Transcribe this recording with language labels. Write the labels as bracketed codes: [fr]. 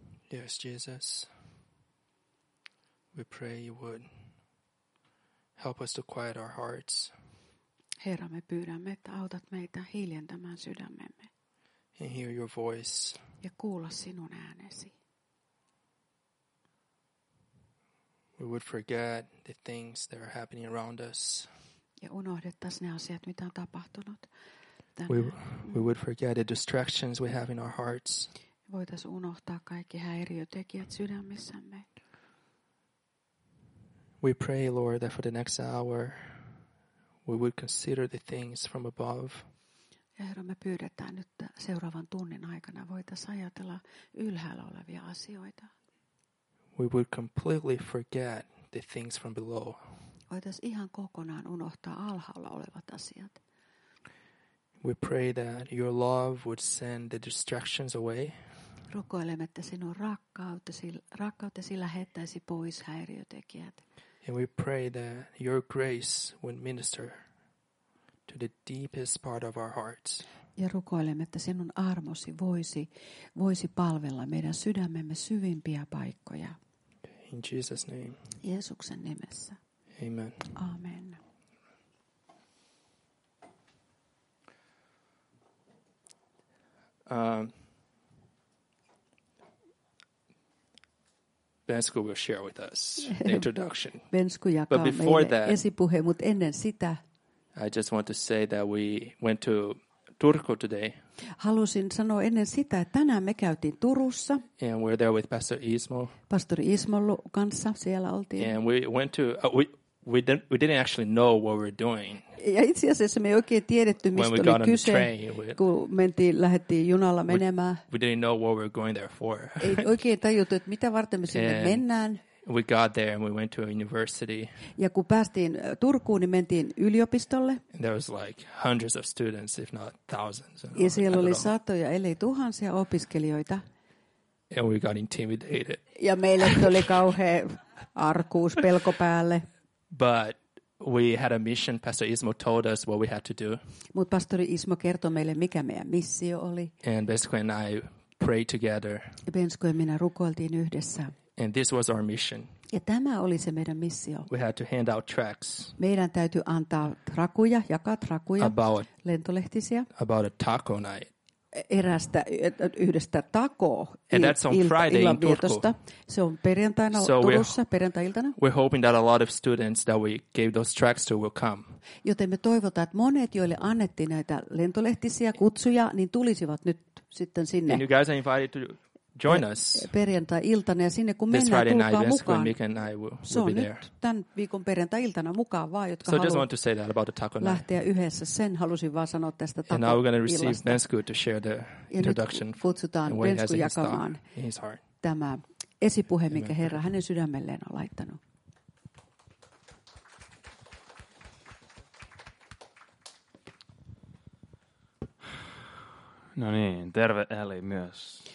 [en] Yes, Jesus, we pray you would help us to quiet our hearts. [fi] Herra, me pyydämme, että autat meitä hiljentämään sydämemme. [en] And hear your voice. [fi] Ja kuulla sinun äänesi. [en] We would forget the things that are happening around us. [fi] Ja unohdettaisiin ne asiat, mitä on tapahtunut. [en] We would forget the distractions we have in our hearts. [fi] Voitaisiin unohtaa kaikki häiriötekijät sydämissämme. [en] We pray, Lord, that for the next hour we would consider the things from above. [fi] Ja Herra, me pyydetään nyt seuraavan tunnin aikana voitaisiin ajatella ylhäällä olevia asioita. [en] We would completely forget the things from below. [fi] Voitaisiin ihan kokonaan unohtaa alhaalla olevat asiat. [en] We pray that your love would send the distractions away. [fi] Rukoilemme, että sinun rakkautesi lähettäisi pois häiriötekijät. [en] And we pray that your grace would minister to the deepest part of our hearts. [fi] Ja rukoilemme, että sinun armosi voisi palvella meidän sydämemme syvimpiä paikkoja. [en] In Jesus' name. [fi] Jeesuksen nimessä. [en] Amen. [fi] Amen. [en] Bensku will share with us the introduction. [fi] Bensku jakaa meille esipuhe, mutta ennen sitä. [en] I just want to say that we went to Turku today. [fi] Halusin sanoa ennen sitä, että tänään me käytiin Turussa. [en] And we're there with Pastor Ismo. [fi] Pastori Ismon kanssa siellä oltiin. [en] And we went to we didn't actually know what we're doing. [fi] Ja itse asiassa me ei oikein tiedetty, mistä oli kyse, kun lähdettiin junalla menemään. [en] We didn't know what we're going there for. [fi] Ei oikein tajuttu, että mitä varten me sinne mennään. [en] We got there and we went to a university. [fi] Ja kun päästiin Turkuun, niin mentiin yliopistolle. [en] And there was like hundreds of students, if not thousands. [fi] Ja siellä oli satoja, ellei tuhansia opiskelijoita. [en] And we got intimidated. [fi] Ja meille tuli kauhea arkuus pelko päälle. [en] But we had a mission. Pastor Ismo told us what we had to do. [fi] Mut pastori Ismo kertoi meille, mikä meidän missio oli. [en] And Bensku and I prayed together. [fi] Bensku ja minä rukoiltiin yhdessä. [en] And this was our mission. [fi] Ja tämä oli se meidän missio. [en] We had to hand out tracts. [fi] Meidän täytyy antaa trakuja, jakaa trakuja, lentolehtisiä. [en] About a taco night. [fi] Erästä yhdestä taco. [en] And that's on Friday in Turku. [fi] Se on perjantaina [en] so [fi] Turussa, perjantai-iltana. [en] We're hoping that a lot of students that we gave those tracks to will come. [fi] Joten me toivotaan, että monet, joille annettiin näitä lentolehtisiä kutsuja, niin tulisivat nyt sitten sinne. [en] And you guys are invited to join us. [fi] Perjantai-iltana ja sinne kun mennään, tulkaa [en] night, [fi] mukaan. [en] Mika and I will be there. [fi] Tämän viikon perjantai-iltana mukaan vaan, jotka [en] so just want to say that about the taco [fi] lähteä yhdessä. Sen halusin vaan sanoa tästä taco-illasta. [en] And now we're going to receive Bensku to share the introduction. [fi] Ja kutsutaan Bensku jakamaan tämä esipuhe, mikä Herra hänen sydämelleen on laittanut. No niin, terve Eli myös.